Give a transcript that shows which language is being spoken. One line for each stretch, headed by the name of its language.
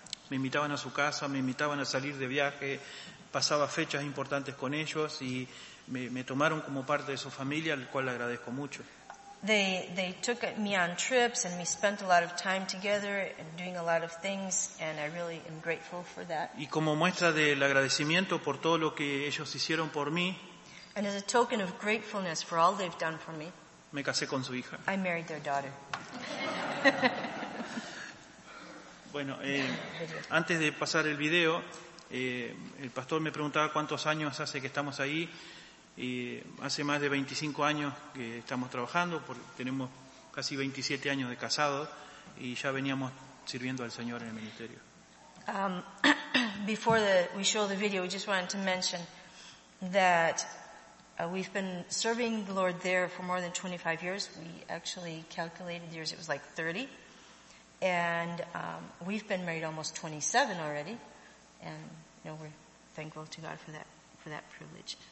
Spanish: Me invitaban a su casa, me invitaban a salir de viaje, pasaba fechas importantes con ellos y me tomaron como parte de su familia, al cual le agradezco mucho.
English: They took me on trips and we spent a lot of time together and doing a lot of things, and I really am grateful for that.
Spanish: Y como muestra del agradecimiento por todo lo que ellos hicieron por mí,
English: and as a token of gratefulness for all they've done for me,
Spanish: me casé con su hija.
English: I married their daughter.
Spanish: Bueno, antes de pasar el video, el pastor me preguntaba cuántos años hace que estamos ahí. Y hace más de 25 años que estamos trabajando, porque tenemos casi 27 años de casados y ya veníamos sirviendo al Señor en el ministerio.
English: Before we show the video, we just wanted to mention that we've been serving the Lord there for more than 25 years. We actually calculated years, it was like 30. And we've been married almost 27 already, and you know, we're thankful to God for that privilege.